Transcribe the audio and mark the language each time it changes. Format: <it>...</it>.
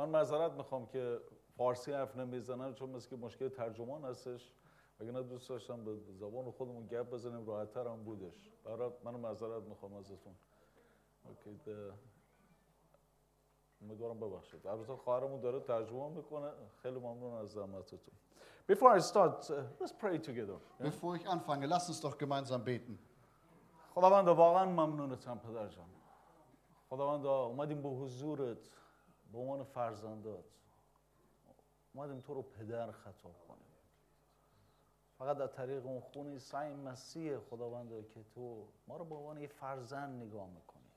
<fa>من معذرت میخوام که فارسی حرف نمیزنم چون مثل که مشکل ترجمان هستش. اگه نه دوست داشتم به زبان خودمون گپ بزنیم راحت‌تر هم بودش. برای من معذرت میخوام ازتون. اوکی ده. امیدوارم ببخشید. عرض خواهرمون داره ترجمه میکنه. خیلی ممنون از زحمتتون.</fa> <en>Before I start, let's pray together.</en> <de>Bevor ich anfange, lass uns doch gemeinsam beten.</de> <fa>خداوند واقعا ممنونتم پدر جان. خداوند اومدیم به حضورت به عنوان فرزندات. اومدیم تو رو پدر خطاب کنیم. فقط از طریق اون خون عیسی مسیح خداوند که تو ما رو به عنوان یه فرزند نگاه میکنی.</fa>